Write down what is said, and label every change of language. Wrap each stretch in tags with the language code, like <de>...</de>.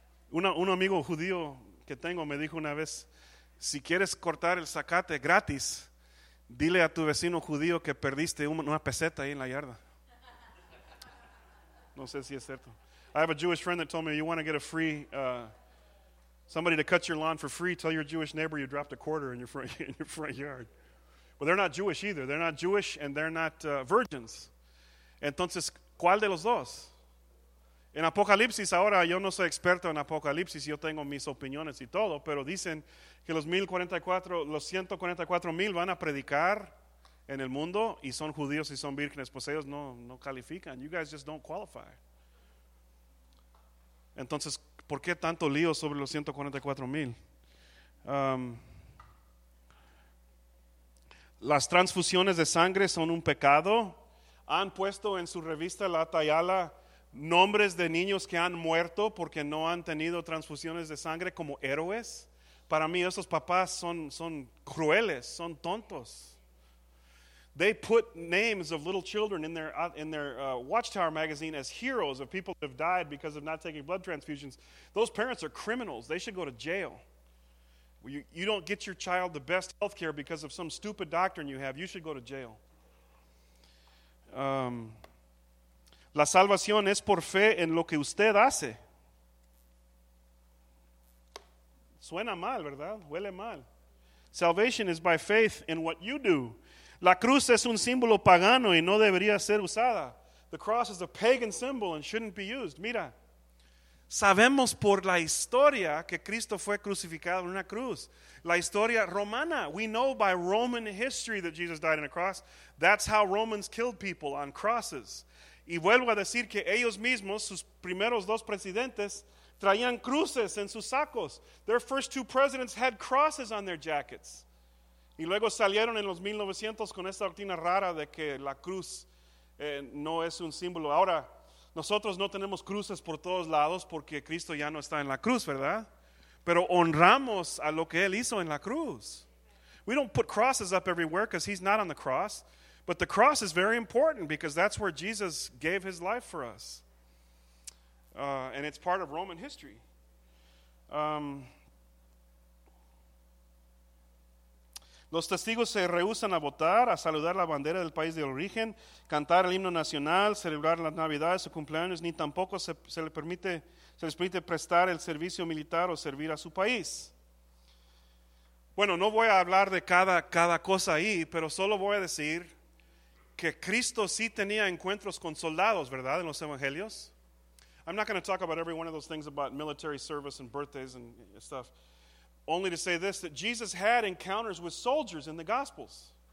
<es>Un amigo judío que tengo me dijo una vez, si quieres cortar el zacate gratis, dile a tu vecino judío que perdiste una peseta ahí en la yarda. No sé si es cierto.</es> <en>I have a Jewish friend that told me, you want to get a free... Somebody to cut your lawn for free, tell your Jewish neighbor you dropped a quarter in your front yard. Well, they're not Jewish either. They're not Jewish and they're not virgins.</en> <es>Entonces, ¿cuál de los dos? En Apocalipsis, ahora yo no soy experto en Apocalipsis, yo tengo mis opiniones y todo, pero dicen que los 144,000 van a predicar en el mundo y son judíos y son vírgenes. Pues ellos no califican.</es> <en>You guys just don't qualify.</en> <es>Entonces, ¿por qué tanto lío sobre los 144,000? Las transfusiones de sangre son un pecado. Han puesto en su revista La Tayala nombres de niños que han muerto porque no han tenido transfusiones de sangre como héroes. Para mí esos papás son crueles, son tontos.</es> <en>They put names of little children in their Watchtower magazine as heroes of people that have died because of not taking blood transfusions. Those parents are criminals. They should go to jail. You don't get your child the best health care because of some stupid doctrine you have. You should go to jail.</en> <es>La salvación es por fe en lo que usted hace. Suena mal, ¿verdad? Huele mal.</es> <en>Salvation is by faith in what you do.</en> <es>La cruz es un símbolo pagano y no debería ser usada.</es> <en>The cross is a pagan symbol and shouldn't be used.</en> <es>Mira, sabemos por la historia que Cristo fue crucificado en una cruz. La historia romana.</es> <en>We know by Roman history that Jesus died on a cross. That's how Romans killed people, on crosses.</en> <es>Y vuelvo a decir que ellos mismos, sus primeros dos presidentes, traían cruces en sus sacos.</es> <en>Their first two presidents had crosses on their jackets.</en> <es>Y luego salieron en los 1900 con esta doctrina rara de que la cruz no es un símbolo. Ahora, nosotros no tenemos cruces por todos lados porque Cristo ya no está en la cruz, ¿verdad? Pero honramos a lo que Él hizo en la cruz.</es> <en>We don't put crosses up everywhere because He's not on the cross. But the cross is very important because that's where Jesus gave His life for us. And it's part of Roman history.</en> <es>Los testigos se rehúsan a votar, a saludar la bandera del país de origen, cantar el himno nacional, celebrar las navidades o cumpleaños, ni tampoco se les permite prestar el servicio militar o servir a su país. Bueno, no voy a hablar de cada cosa ahí, pero solo voy a decir que Cristo sí tenía encuentros con soldados, ¿verdad? En los evangelios.</es> <en>I'm not going to talk about every one of those things about military service and birthdays and stuff. Only to say this, that Jesus had encounters with soldiers in the Gospels.</en>